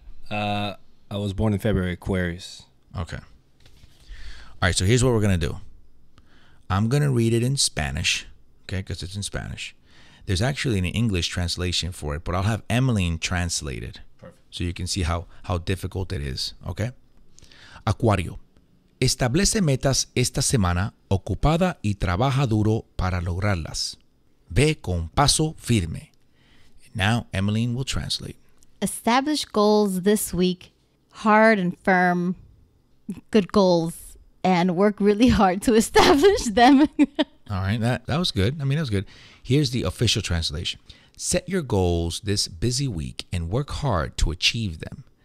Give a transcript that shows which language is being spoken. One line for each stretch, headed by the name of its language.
English: I was born in February, Aquarius. Okay. All right, so here's what we're going to do. I'm going to read it in Spanish, okay, because it's in Spanish. There's actually an English translation for it, but I'll have Emeline translate it. Perfect. So you can see how difficult it is, okay?
Spanish: Acuario, establece metas esta semana ocupada y trabaja duro para lograrlas. Ve con paso firme.
English: Now, Emeline will translate. Establish goals this week, hard and firm, good goals, and work really hard to establish them. All right, that was good. I mean, that was good. Here's the official translation. Set your goals this busy week and work hard to achieve them.